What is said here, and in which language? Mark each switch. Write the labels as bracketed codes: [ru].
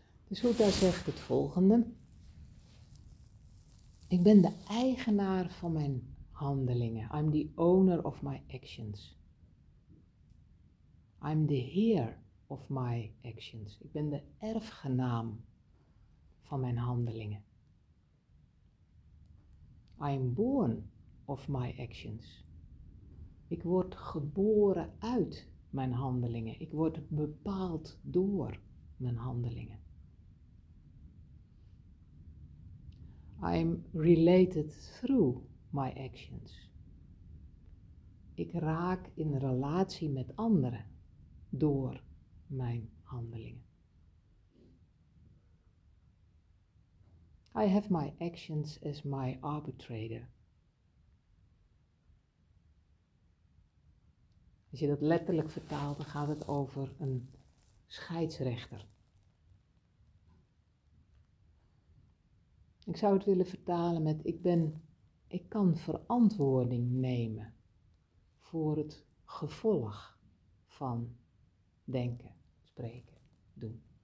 [nl] De sutta zegt het volgende. Ik ben de eigenaar van mijn handelingen. [en] I'm the owner of my actions. I'm the heir of my actions. [nl] Ik ben de erfgenaam van mijn handelingen. [en] I'm born of my actions. [nl] Ik word geboren uit mijn handelingen. Ik word bepaald door mijn handelingen. [en] I'm related through my actions. [nl] Ik raak in relatie met anderen door mijn handelingen. [en] I have my actions as my arbitrator. [nl] Als je dat letterlijk vertaalt, dan gaat het over een scheidsrechter. Ik zou het willen vertalen met ik kan verantwoording nemen voor het gevolg van denken, spreken, doen.